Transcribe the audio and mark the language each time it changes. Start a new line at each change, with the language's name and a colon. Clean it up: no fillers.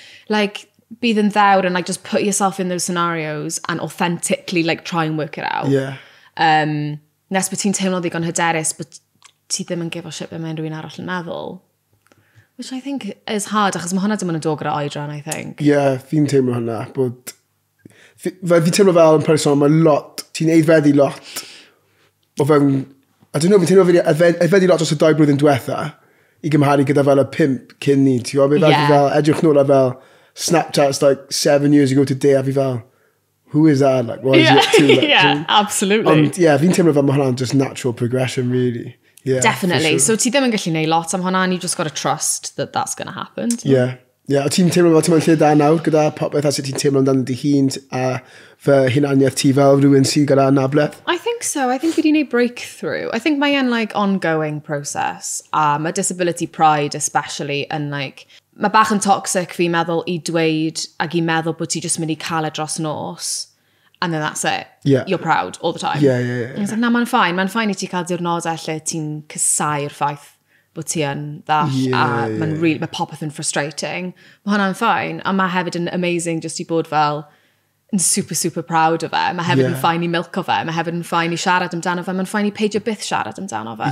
English: Like,
Welsh: bydd yn ddewr
English: and like, just put yourself in those scenarios and authentically like, try and work it out. Yeah.
Welsh: Nes bod ti'n teimlo ddigon hyderus, but ti ddim yn gyfo shit be mae unrhyw un arall yn meddwl.
English: Which I think is hard,
Welsh: achos mae hwnna ddim yn y dog ar y oedran, I think. Yeah, fi'n teimlo hwnna, but... Fi'n teimlo fel yn person, mae lot, ti'n eiddfeddu lot, o fewn...
English: I don't know,
Welsh: fi'n teimlo fel eiddfeddu lot os y 2 blwyddyn diwetha, i gymharu gyda fel y 5 cyn ni, ti'n gwybod?
English: Yeah.
Welsh: Fel, edrych nôl ar fel Snapchat's like 7 years ago today, a fi fel,
English: who is that? Like, what is it to? Like, yeah, absolutely.
Welsh: Ond, yeah, fi'n teimlo fel mae hwnna'n just natural progression, really. Yeah,
English: definitely. Sure.
Welsh: So ti ddim yn gallu neud lot am hwnna,
English: and you've just got to trust that that's going to happen. Yeah.
Welsh: Ti'n teimlo fel ti'n lle da nawr gyda popeth a sut ti'n teimlo amdano dy hun a fy hunaniaeth ti fel rhywun sydd gyda anabledd?
English: I think so. I think we'd need breakthrough. I think mae'n like ongoing process.
Welsh: Mae disability pride especially yn like, mae bach yn toxic fi meddwl i dweud ag i meddwl bod ti just mynd i cael y dros nos.
English: And then that's it. Yeah. You're proud all the time. Yeah. Like, no, man, fine. Man, fine.
Welsh: I ti cael diwrnodau lle ti'n cysau'r ffaith bod ti yn ddall a mae'n really, mae popeth yn frustrating. Mae hwnna'n fine, a mae hefyd yn amazing just i bod fel yn super, super proud o fe. Mae hefyd yn fine i milk o fe, mae hefyd yn fine i siarad amdano fe, mae'n fine i peidio byth siarad amdano fe.